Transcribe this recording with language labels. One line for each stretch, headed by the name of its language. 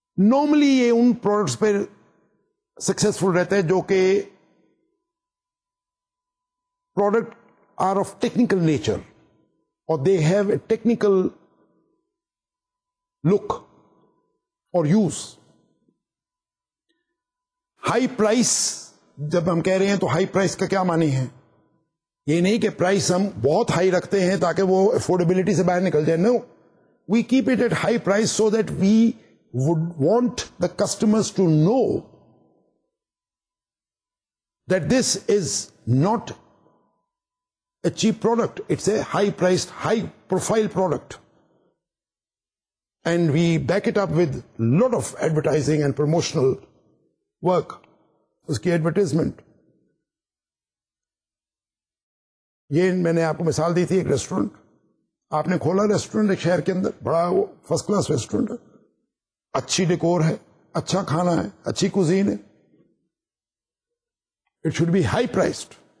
Urdu: Normally یہ ان products پہ successful رہتے ہیں جو کہ product
English: are of technical nature or they have a technical look or use.
Urdu: High price, جب ہم کہہ رہے ہیں تو high price کا کیا معنی ہے؟ یہ نہیں کہ price ہم بہت high رکھتے ہیں تاکہ وہ affordability سے باہر نکل جائے.
English: No, we keep it at high price so that we would want the customers to know that this is not a cheap product, it's a high priced, high profile product, and we back it up with lot of advertising and promotional work.
Urdu: Uski advertisement, یہ میں نے آپ کو مثال دی تھی, ایک restaurant آپ نے کھولا, ریسٹورینٹ ایک شہر کے اندر بڑا فرسٹ کلاس ریسٹورینٹ, اچھی ڈیکور ہے, اچھا کھانا ہے, اچھی کوزین ہے,
English: It should be high priced.